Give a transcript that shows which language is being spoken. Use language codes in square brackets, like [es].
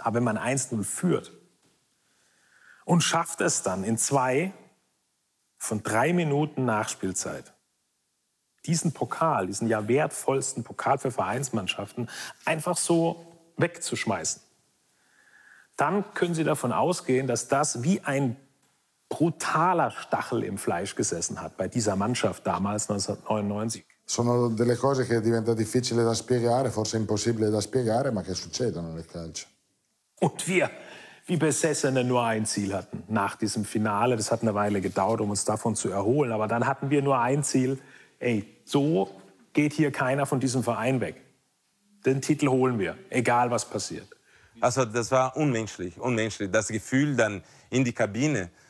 [de] Aber wenn man 1-0 führt, und schafft es dann in 2 von 3 Minuten Nachspielzeit, diesen Pokal, diesen ja wertvollsten Pokal für Vereinsmannschaften, einfach so wegzuschmeißen. Dann können Sie davon ausgehen, dass das wie ein brutaler Stachel im Fleisch gesessen hat bei dieser Mannschaft damals 1999. [it] Sono delle cose che diventa difficile da spiegare, forse impossibile da spiegare, ma che succedono nel calcio. [de] Und wir wie Besessene nur ein Ziel hatten nach diesem Finale. Das hat eine Weile gedauert, um uns davon zu erholen. Aber dann hatten wir nur ein Ziel. Ey, so geht hier keiner von diesem Verein weg. Den Titel holen wir, egal was passiert. Also das war unmenschlich, unmenschlich. Das Gefühl dann in die Kabine.